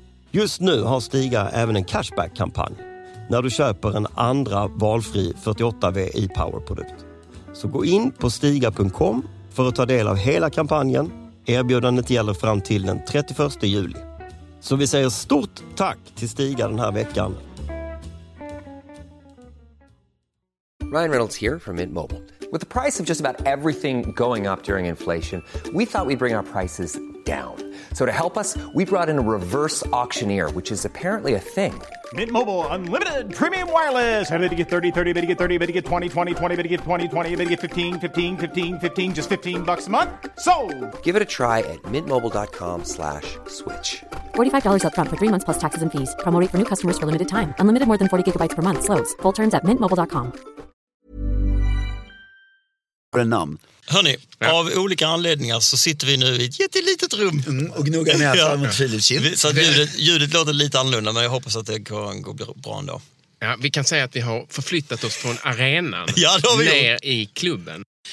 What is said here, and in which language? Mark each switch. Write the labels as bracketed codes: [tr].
[sv] Just nu har Stiga även en cashback-kampanj när du köper en andra valfri 48V e-power-produkt. Så gå in på stiga.com för att ta del av hela kampanjen. Erbjudandet gäller fram till den 31 juli. Så vi säger stort tack till Stiga den här veckan. [en] Ryan Reynolds here from Mint Mobile. With the price of just about everything going up during inflation, we thought we'd bring our prices down. So to help us, we brought in a reverse auctioneer, which is apparently a thing. Mint Mobile Unlimited Premium Wireless. How to get 30, 30, how to get 30, how to get 20, 20, 20, how to get 20, 20, how to get 15, 15, 15, 15, just $15 a month? Sold! Give it a try at mintmobile.com/switch. $45 up front for 3 months plus taxes and fees. Promo rate for new customers for limited time. Unlimited more than 40 gigabytes per month. Slows full terms at mintmobile.com. [sv] Namn. Hörni, av olika anledningar så sitter vi nu i ett jättelitet rum. Mm, och gnuggar näsan mot Filip Kinn. Så att ljudet låter lite annorlunda, men jag hoppas att det kan gå bra ändå. Ja, vi kan säga att vi har förflyttat oss från arenan ja, ner i klubben.